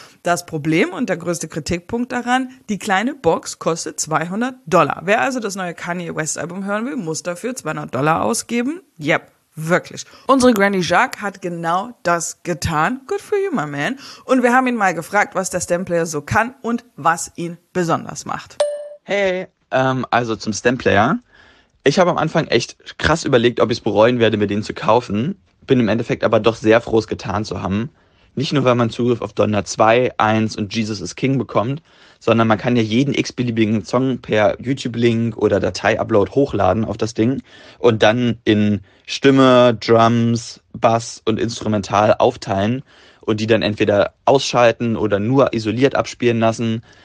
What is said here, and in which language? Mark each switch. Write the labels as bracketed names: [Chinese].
[German] Das Problem und der größte Kritikpunkt daran, die kleine Box kostet $200. Wer also das neue Kanye West Album hören will, muss dafür $200 ausgeben. Yep. Wirklich. Unsere Granny Jacques hat genau das getan. [English] Good for you, my man. [German] Und wir haben ihn mal gefragt, was der Stemplayer so kann und was ihn besonders macht. Hey, also zum Stemplayer. Ich habe am Anfang echt krass überlegt, ob ich es bereuen werde, mir den zu kaufen. Bin im Endeffekt aber doch sehr froh, es getan zu haben. Nicht nur, weil man Zugriff auf Donda 2, 1 und Jesus is King bekommt, sondern man kann ja jeden x-beliebigen Song per YouTube-Link oder Datei-Upload hochladen auf das Ding und dann in Stimme, Drums, Bass und Instrumental aufteilen und die dann entweder ausschalten oder nur isoliert abspielen lassen.